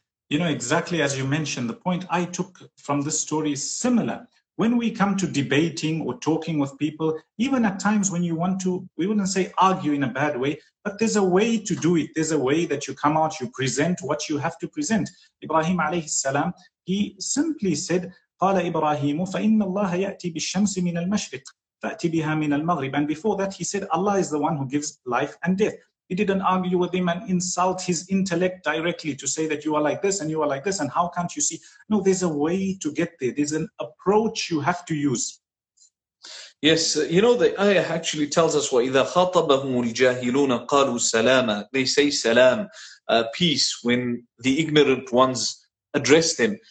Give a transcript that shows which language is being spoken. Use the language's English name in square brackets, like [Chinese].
[English] You know, exactly as you mentioned, the point I took from this story is similar. When we come to debating or talking with people, even at times when you want to, we wouldn't say argue in a bad way, but there's a way to do it. There's a way that you come out, you present what you have to present. [Arabic] Ibrahim alayhi salam, [English] he simply said, [Arabic] قال إبراهيم فإن الله يأتي بالشمس من المشرق فأتي بها من المغرب. [English] And before that, he said, Allah is the one who gives life and death. He didn't argue with him and insult his intellect directly to say that you are like this and you are like this and how can't you see? No, there's a way to get there. There's an approach you have to use. Yes, you know, the ayah actually tells us, [Arabic] وَإِذَا خَاطَبَهُمُ الْجَاهِلُونَ قَالُوا سَلَامًا. [English] They say salam, peace, when the ignorant ones address them.